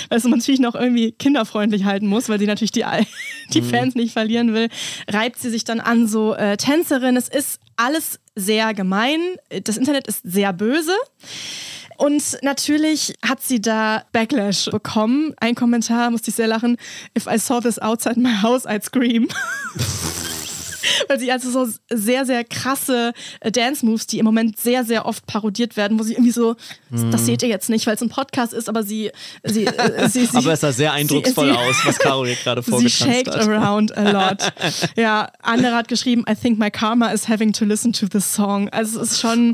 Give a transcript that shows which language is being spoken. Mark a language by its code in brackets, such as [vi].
[de] Weil es natürlich noch irgendwie kinderfreundlich halten muss, weil sie natürlich die Fans nicht verlieren will. Reibt sie sich dann an so Tänzerin. Es ist alles sehr gemein. Das Internet ist sehr böse. Und natürlich hat sie da Backlash bekommen. Ein Kommentar, musste ich sehr lachen. [en] If I saw this outside my house, I'd scream. [de] Weil sie also so sehr, sehr krasse Dance-Moves, die im Moment sehr, sehr oft parodiert werden, wo sie irgendwie so, das seht ihr jetzt nicht, weil es ein Podcast ist, aber sie aber es sah sehr eindrucksvoll aus, was Caro hier gerade vorgetanzt hat. [en] Sie shaked around a lot. [de] Ja, andere hat geschrieben, [en] I think my karma is having to listen to this song. [de] Also es ist schon...